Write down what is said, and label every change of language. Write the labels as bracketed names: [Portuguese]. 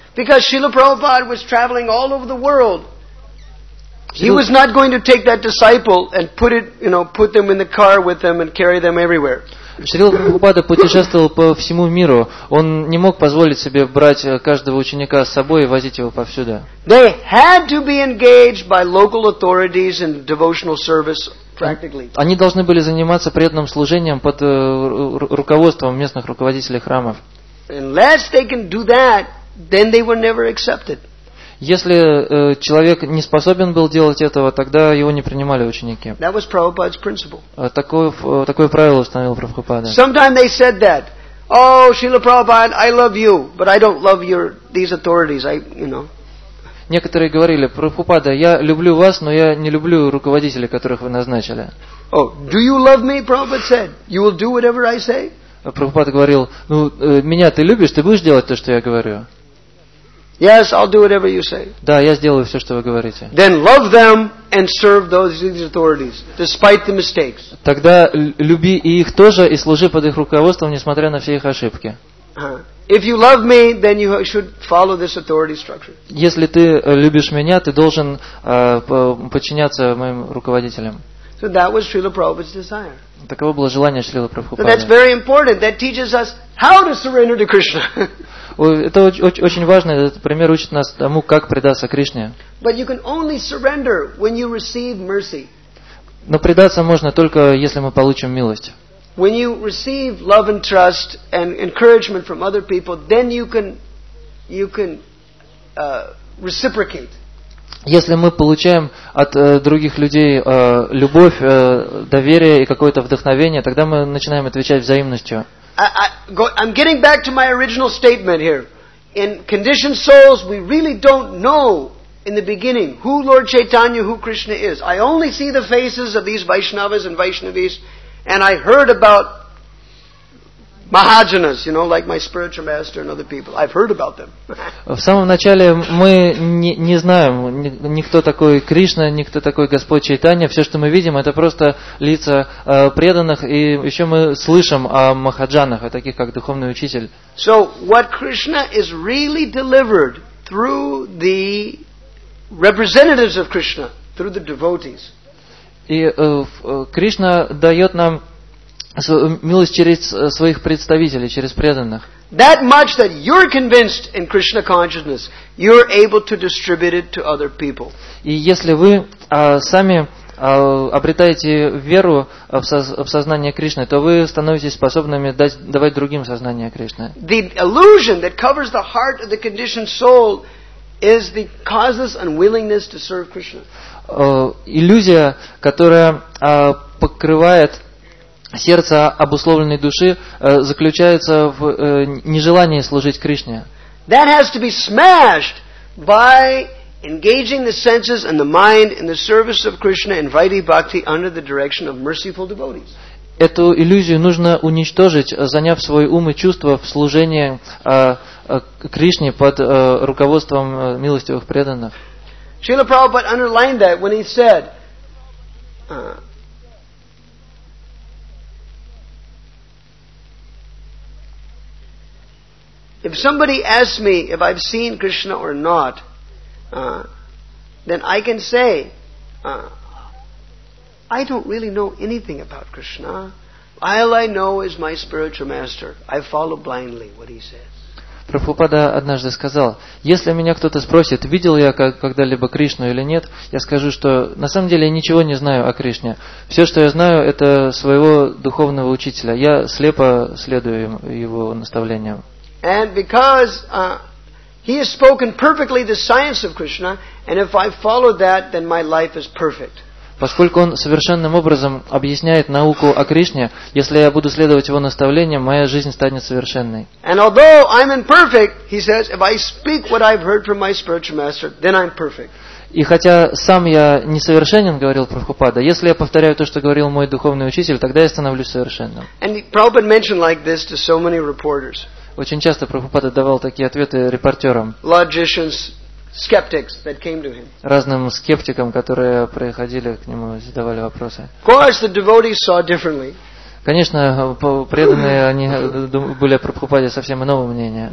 [English] Because Srila Prabhupada was traveling all over the world. He was not going to take that disciple and put it, you know, put them in the car with them and carry them everywhere. [Russian] Шрила Прабхупада путешествовал по всему миру. Он не мог позволить себе брать каждого ученика с собой и возить его повсюду. [English] They had to be engaged by local authorities in devotional service practically. [Russian] Они должны были заниматься преданным служением под руководством местных руководителей храмов. [English] Unless they can do that, then they were never accepted. [Russian] Если человек не способен был делать этого, тогда его не принимали ученики. [English] That was Prabhupada's principle. [Russian] Такое правило установил Прабхупада. [English] Sometimes they said that, "Oh, Srila Prabhupada, I love you, but I don't love your these authorities. I, you know." [Russian] Некоторые говорили: "Прабхупада, я люблю вас, но я не люблю руководителей, которых вы назначили." [English] Oh, do you love me? Prabhupada said, "You will do whatever I say." [Russian] Прабхупада говорил: "Ну, меня ты любишь, ты будешь делать то, что я говорю." [English] Yes, I'll do whatever you say. [Russian] Да, я сделаю все, что вы говорите. [English] Then love them and serve those authorities, despite the mistakes. [Russian] Тогда люби и их тоже и служи под их руководством, несмотря на все их ошибки. [English] If you love me, then you should follow this authority structure. [Russian] Если ты любишь меня, ты должен подчиняться моим руководителям. [English] So that was Srila Prabhupada's desire. [Russian] Таково было желание Шрилы Прабхупады. [English] So that's very important. That teaches us how to surrender to Krishna. [Russian] Это очень важно, этот пример учит нас тому, как предаться Кришне. [English] But you can only surrender when you receive mercy. [Russian] Но предаться можно только, если мы получим милость. [English] When you receive love and trust and encouragement from other people, then you can reciprocate. [Russian] Если мы получаем от других людей любовь, доверие и какое-то вдохновение, тогда мы начинаем отвечать взаимностью. [English] I'm getting back to my original statement here. In conditioned souls, we really don't know in the beginning who Lord Chaitanya, who Krishna is. I only see the faces of these Vaishnavas and Vaishnavis And I heard about Mahajanas, you know, like my spiritual master and other people. I've heard about them. [Russian] В самом начале мы не знаем, никто такой Кришна, никто такой Господь Чайтанья. Все, что мы видим, это просто лица преданных, и еще мы слышим о махаджанах, о таких как духовный учитель. [English] So what Krishna is really delivered through the representatives of Krishna, through the devotees. [Russian] И Кришна дает нам милость через своих представителей, через преданных. [English] That much that you're convinced in Krishna consciousness, you're able to distribute it to other people. [Russian] И если вы сами обретаете веру в сознание Кришны, то вы становитесь способными давать другим сознание Кришны. [English] The illusion that covers the heart of the conditioned soul is the causeless unwillingness to serve Krishna. [Russian] Иллюзия, которая покрывает сердце обусловленной души, заключается в нежелании служить Кришне. [English] That has to be smashed by engaging the senses and the mind in the service of Krishna and Vaidhi Bhakti under the direction of merciful devotees. [Russian] Эту иллюзию нужно уничтожить, заняв свой ум и чувства в служении Кришне под руководством милостивых преданных. [English] Srila Prabhupada underlined that when he said, if somebody asks me if I've seen Krishna or not, then I can say, I don't really know anything about Krishna. All I know is my spiritual master. I follow blindly what he says. [Russian] Прабхупада однажды сказал, если меня кто-то спросит, видел я когда-либо Кришну или нет, я скажу, что на самом деле я ничего не знаю о Кришне. Все, что я знаю, это своего духовного учителя. Я слепо следую его наставлениям. [English] And because he has spoken perfectly the science of Krishna, and if I follow that, then my life is perfect. [Russian] Поскольку он совершенным образом объясняет науку о Кришне, если я буду следовать его наставлениям, моя жизнь станет совершенной. [English] And although I'm imperfect, he says, if I speak what I've heard from my spiritual master, then I'm perfect. [Russian] И хотя сам я несовершенен, говорил Прабхупада, если я повторяю то, что говорил мой духовный учитель, тогда я становлюсь совершенным. [English] And Prabhupada mentioned like this to so many reporters. [Russian] Очень часто Прабхупада давал такие ответы репортерам. [English] Logicians, skeptics that came to him. [Russian] Разным скептикам, которые приходили к нему, задавали вопросы. [English] Of course, the devotees saw differently. [Russian] Конечно, преданные они были о Прабхупаде совсем иного мнения.